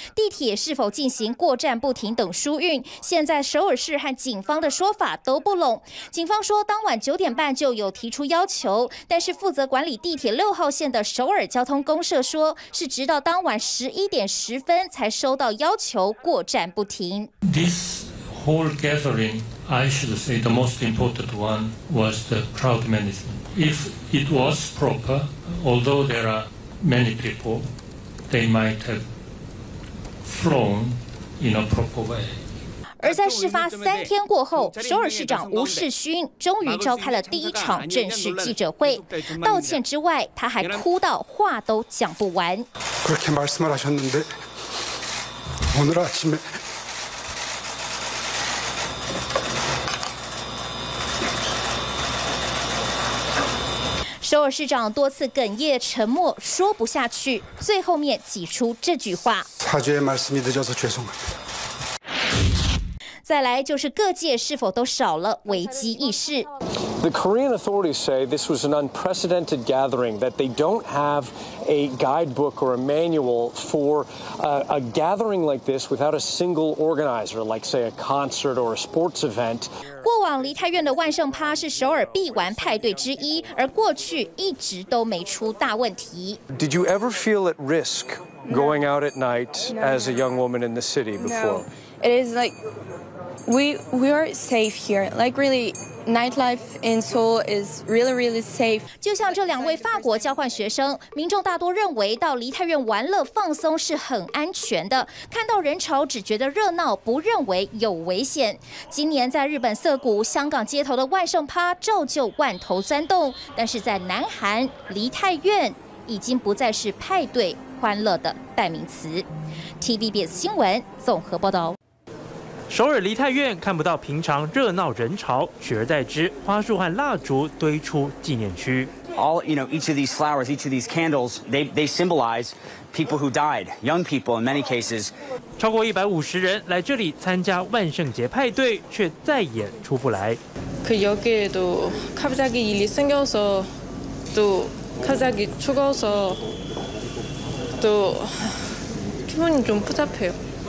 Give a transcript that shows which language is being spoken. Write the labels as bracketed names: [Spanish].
[Chinese] 地铁是否进行过站不停等疏运？现在首尔市和警方的说法都不拢。警方说，当晚9:30就有提出要求，但是负责管理地铁6号线的首尔交通公社说，是直到当晚11:10才收到要求过站不停。 [English] This whole gathering, I should say the most important one was the crowd management. If it was proper, although there are many people, they might have flown in a proper way. [Chinese] 而在事发3天过后，首尔市长吴世勋终于召开了第一场正式记者会。道歉之外，他还哭到话都讲不完。 [Korean] 그렇게말씀을하셨는데오늘아침에 [Chinese] 首尔市长多次哽咽沉默，说不下去，最后面挤出这句话：“ [Korean] 사죄의말씀이늦어서죄송합니다。” [Chinese] 再来就是各界是否都少了危机意识。 [English] The Korean authorities say this was an unprecedented gathering, that they don't have a guidebook or a manual for a gathering like this without a single organizer, like say a concert or a sports event. [Chinese] 过往梨泰院的万圣趴是首尔必玩派对之一，而过去一直都没出大问题。 [English] Did you ever feel at risk going out at night as a young woman in the city before? No. It is like... We are safe here. Like really, nightlife in Seoul is really, really safe. [Chinese] 就像这两位法国交换学生，民众大多认为到梨泰院玩乐放松是很安全的。看到人潮只觉得热闹，不认为有危险。今年在日本涩谷、香港街头的万圣趴照旧万头钻动，但是在南韩梨泰院已经不再是派对欢乐的代名词。TVBS 新闻综合报道。首尔梨泰院看不到平常热闹人潮，取而代之，花束和蜡烛堆出纪念区。 [English] All, you know, each of these flowers, each of these candles, they symbolize people who died, young people in many cases. [Chinese] 超过150人来这里参加万圣节派对，却再也出不来。 [Korean] 그여기에도갑자기일이생겨서또갑자기죽어서또기분이좀복잡해요